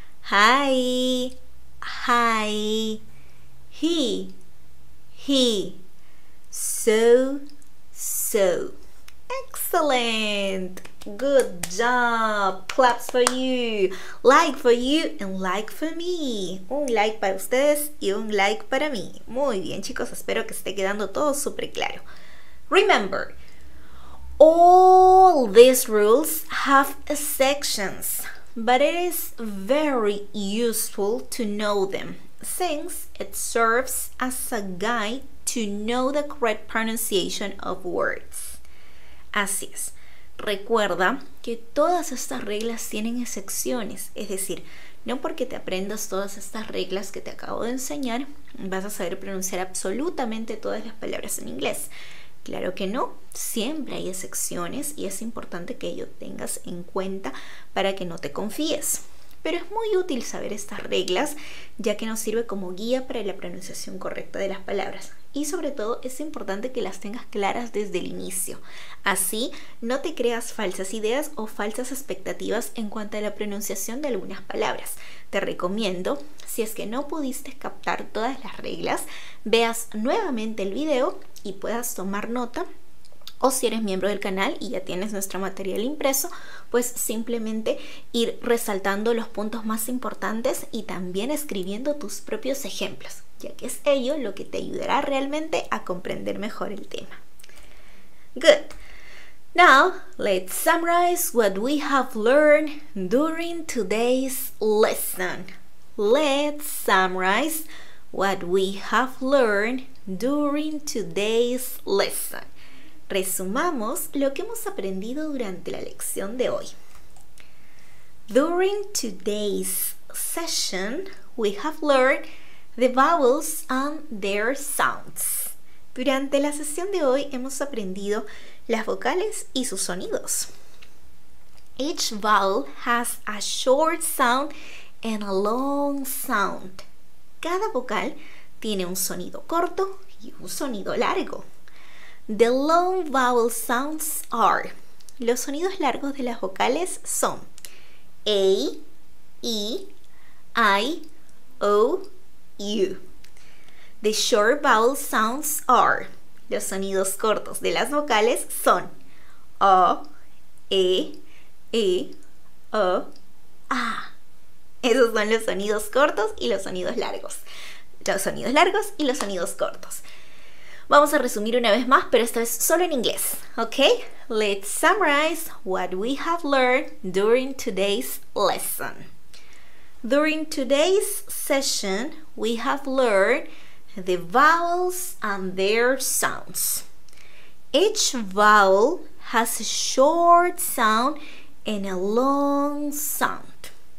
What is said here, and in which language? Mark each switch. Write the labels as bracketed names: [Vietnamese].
[English] Hi, hi. He, he. So, so. Excellent. Good job. Claps for you. Like for you and like for me. [Spanish] Un like para ustedes y un like para mí. Muy bien, chicos. Espero que esté quedando todo súper claro. Remember, all these rules have exceptions, but it is very useful to know them since it serves as a guide to know the correct pronunciation of words. Así es. Recuerda que todas estas reglas tienen excepciones, es decir, no porque te aprendas todas estas reglas que te acabo de enseñar vas a saber pronunciar absolutamente todas las palabras en inglés. Claro que no, siempre hay excepciones y es importante que ello tengas en cuenta para que no te confíes. Pero es muy útil saber estas reglas, ya que nos sirve como guía para la pronunciación correcta de las palabras. Y sobre todo, es importante que las tengas claras desde el inicio. Así, no te creas falsas ideas o falsas expectativas en cuanto a la pronunciación de algunas palabras. Te recomiendo, si es que no pudiste captar todas las reglas, veas nuevamente el video y puedas tomar nota O si eres miembro del canal y ya tienes nuestro material impreso, pues simplemente ir resaltando los puntos más importantes y también escribiendo tus propios ejemplos, ya que es ello lo que te ayudará realmente a comprender mejor el tema. [English] Good. Now, let's summarize what we have learned during today's lesson. Let's summarize what we have learned during today's lesson. [Spanish] Resumamos lo que hemos aprendido durante la lección de hoy. [English] During today's session, we have learned the vowels and their sounds. [Spanish] Durante la sesión de hoy hemos aprendido las vocales y sus sonidos. [English] Each vowel has a short sound and a long sound. [Spanish] Cada vocal tiene un sonido corto y un sonido largo. [English] The long vowel sounds are. [Spanish] Los sonidos largos de las vocales son A, E, I, O, U. [English] The short vowel sounds are. [Spanish] Los sonidos cortos de las vocales son O, E, O, A. Esos son los sonidos cortos y los sonidos largos. Los sonidos largos y los sonidos cortos. Vamos a resumir una vez más, pero esta vez solo en inglés, ¿ok? [English] Let's summarize what we have learned during today's lesson. During today's session, we have learned the vowels and their sounds. Each vowel has a short sound and a long sound.